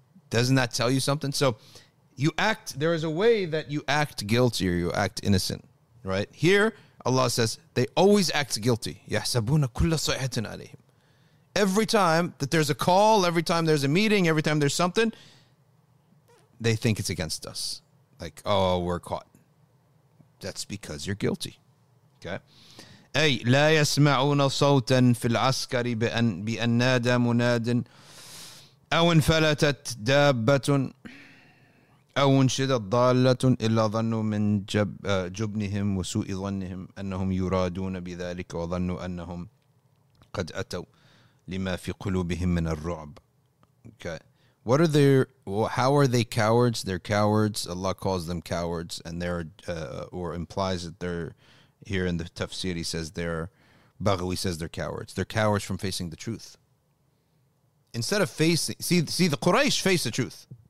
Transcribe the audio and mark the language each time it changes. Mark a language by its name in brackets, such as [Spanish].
[English] Doesn't that tell you something? So you act, there is a way that you act guilty or you act innocent, right? Here, Allah says, they always act guilty. [Arabic] يَحْسَبُونَ كُلَّ صَيْحَةٍ عَلَيْهِمْ. [English] Every time that there's a call, every time there's a meeting, every time there's something, they think it's against us. Like, oh, we're caught. That's because you're guilty. Okay? [Arabic] أي لا يسمعون صوتا في العسكر بأن نادى مناد أو انفلتت دابة أو انشدت ضالة إلا ظنوا من جبنهم وسوء ظنهم أنهم يرادون بذلك وظنوا أنهم قد أتوا لما في قلوبهم من الرعب. [English] Okay. What are their, how are they cowards? They're cowards. Allah calls them cowards, and they're, or implies that they're, here in the tafsir, he says they're, Baghawi says they're cowards. They're cowards from facing the truth. Instead of facing, see the Quraysh face the truth.